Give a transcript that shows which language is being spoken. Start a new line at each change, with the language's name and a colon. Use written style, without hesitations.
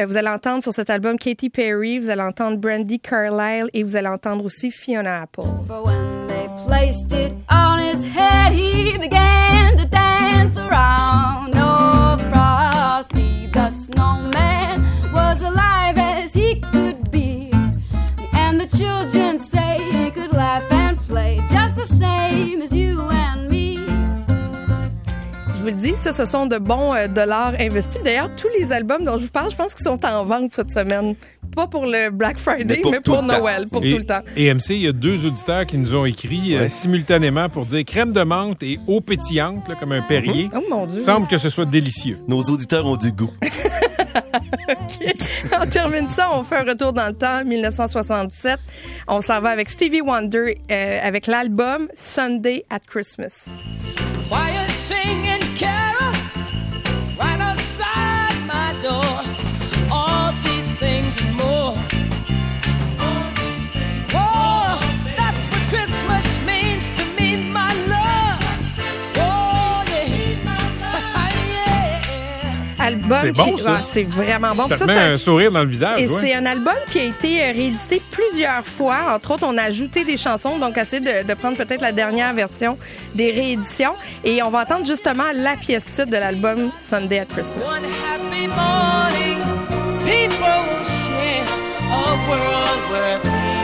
French: Vous allez entendre sur cet album Katy Perry, vous allez entendre Brandi Carlile et vous allez entendre aussi Fiona Apple.
English: For when they placed it on his head, he began to dance around. No frosty, the snowman was alive as he could be. And the children say he could laugh and play just the same as you and me.
French: Je vous le dis, ça, ce sont de bons dollars investis. D'ailleurs, tous les albums dont je vous parle, je pense qu'ils sont en vente cette semaine. Pas pour le Black Friday, mais pour Noël, pour et, tout le temps. Et MC, il y a deux auditeurs qui nous ont écrit simultanément pour dire crème de menthe et eau pétillante, là, comme un Perrier. Oh mon Dieu. Semble que ce soit délicieux. Nos auditeurs ont du goût. OK. On termine ça, on fait un retour dans le temps, 1967. On s'en va avec Stevie Wonder avec l'album Sunday at Christmas.
English: Why you singing carols right outside my door? All these things and more. All these things. Whoa, oh, that's what Christmas means to me, my love. Oh, yeah. Yeah. Album.
French: C'est bon, ça. C'est vraiment bon. Ça te met un sourire dans le visage. Et c'est un album qui a été réédité plusieurs fois. Entre autres, on a ajouté des chansons, donc essayez de prendre peut-être la dernière version des rééditions. Et on va entendre justement la pièce titre de l'album Sunday at Christmas.
English: One happy morning, people will share a world where